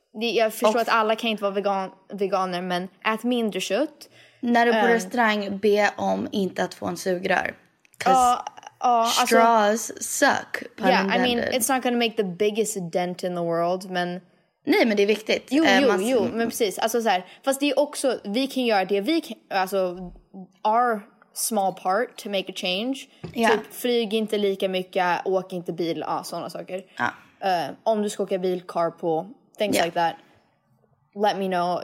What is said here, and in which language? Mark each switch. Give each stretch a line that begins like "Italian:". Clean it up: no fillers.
Swedish: Jag förstår att alla kan inte vara veganer, men ät mindre kött. När du på restaurang, be om inte att få en sugrör. Straws alltså, suck.
English: Yeah, I mean, it's not gonna make the biggest dent in the world,
Swedish: men... Nej, men det är viktigt. Jo, men precis. Alltså, så här, fast det är också, vi kan göra det, vi kan, alltså,
English: our small part to make a change. Yeah.
Swedish: Typ, flyg inte lika mycket, åk inte bil, sådana saker. Om du ska åka bil,
English: carpool, things like that. Let me know.